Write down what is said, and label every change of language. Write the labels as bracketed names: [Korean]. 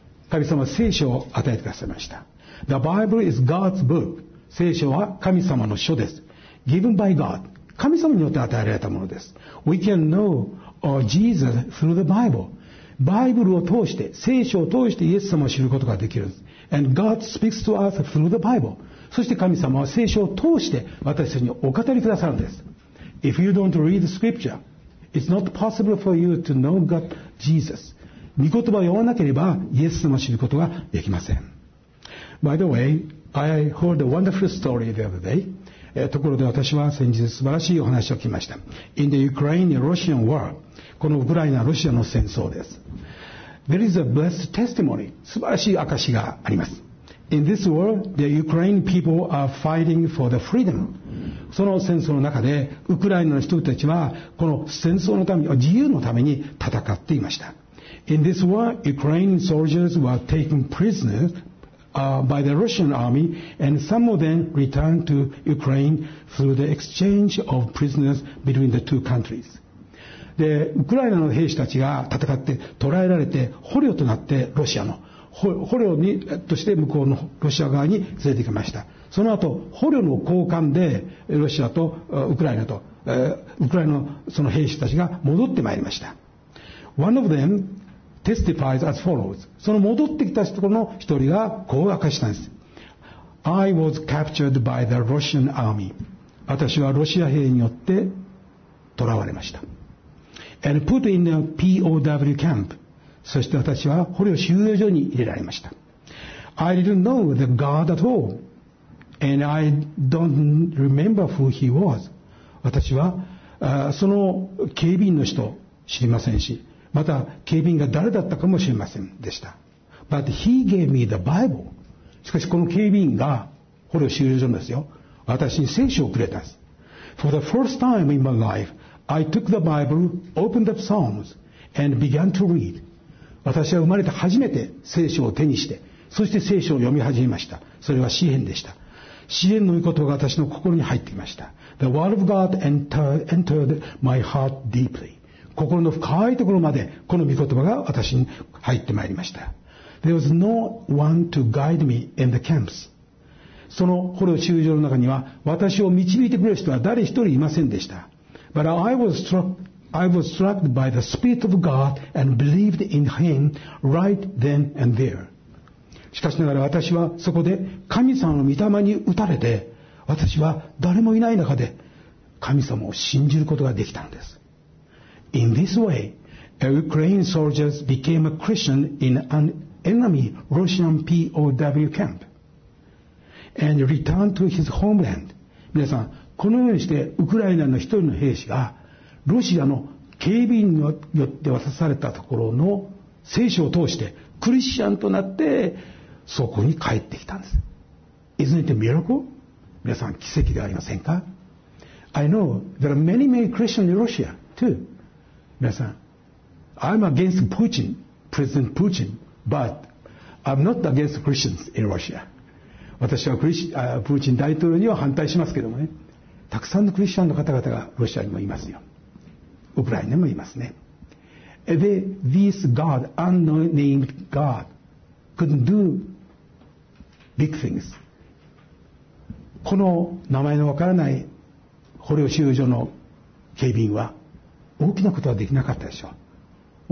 [Japanese] 神様は聖書を与えてくださいました。 [English] The Bible is God's book. [Japanese] 聖書は神様の書です。 [English] Given by God. [Japanese] 神様によって与えられたものです。 [English] We can know Jesus through the Bible. [Japanese] バイブルを通して、聖書を通してイエス様を知ることができるんです。 [English] And God speaks to us through the Bible. [Japanese] そして神様は聖書を通して私たちにお語りくださるんです。 [English] If you don't read scripture, it's not possible for you to know God, Jesus. [Japanese] 御言葉を読まなければイエス様を知ることができません。 [English] By the way, I heard a wonderful story the other day. [Japanese] ところで私は先日素晴らしいお話を聞きました。 [English] In the Ukraine Russian War、 [Japanese] このウクライナロシアの戦争です。 [English] There is a blessed testimony、 [Japanese] 素晴らしい証があります。 [English] In this war, the Ukraine people are fighting for the freedom。 [Japanese] その戦争の中でウクライナの人たちはこの戦争のために、自由のために戦っていました。 [English] In this war, Ukraine soldiers were taken prisonersby the Russian army, and some of them returned to Ukraine through the exchange of prisoners between the two countries. [Japanese] で、ウクライナの兵士たちが戦って捕らえられて捕虜となって、ロシアの捕虜にとして向こうのロシア側に連れてきました。その後捕虜の交換でロシアとウクライナと、ウクライナのその兵士たちが戻ってまいりました。 [English] One of themTestifies as follows. [Japanese] その戻ってきた人の一人がこう明かしたんです。 [English] I was captured by the Russian army. [Japanese] 私はロシア兵によって捕らわれました。 [English] And put in a POW camp. [Japanese] そして私は捕虜収容所に入れられました。 [English] I didn't know the God at all. And I don't remember who he was. [Japanese] 私はその警備員の人知りませんし、また警備員が誰だったかもしれませんでした。 [English] But he gave me the Bible. [Japanese] しかしこの警備員が捕虜収容所ですよ、私に聖書をくれたんです。 [English] For the first time in my life, I took the Bible, opened the Psalms, and began to read. [Japanese] 私は生まれて初めて聖書を手にして、そして聖書を読み始めました。それは詩編でした。詩編の御言葉が私の心に入ってきました。 [English] The word of God entered my heart deeply. [Japanese] 心の深いところまでこの御言葉が私に入ってまいりました。 [English] There was no one to guide me in the camps. [Japanese] その捕虜収容所の中には私を導いてくれる人は誰一人いませんでした。 [English] But I was struck by the Spirit of God and believed in Him right then and there. [Japanese] しかしながら私はそこで神様の御霊に打たれて、私は誰もいない中で神様を信じることができたんです。 [English] In this way, a Ukrainian soldiers became a Christian in an enemy Russian POW camp and returned to his homeland. [Japanese] 皆さん、このようにしてウクライナの一人の兵士がロシアの警備員によって渡されたところの聖書を通してクリスチャンとなってそこに帰ってきたんです。 [English] Isn't it a miracle? [Japanese] 皆さん、奇跡ではありませんか? [English] I know there are many, many Christians in Russia too. 皆さん、I'm against Putin, President Putin, but I'm not against Christians in Russia. [Japanese] 私はプーチン大統領には反対しますけどもね、たくさんのクリスチャンの方々がロシアにもいますよ。ウクライナにもいますね。 [English] で、This God, unnamed God, couldn't do big things. [Japanese] この名前のわからない捕虜収容所の警備員は、大きなことはできなかったでしょう。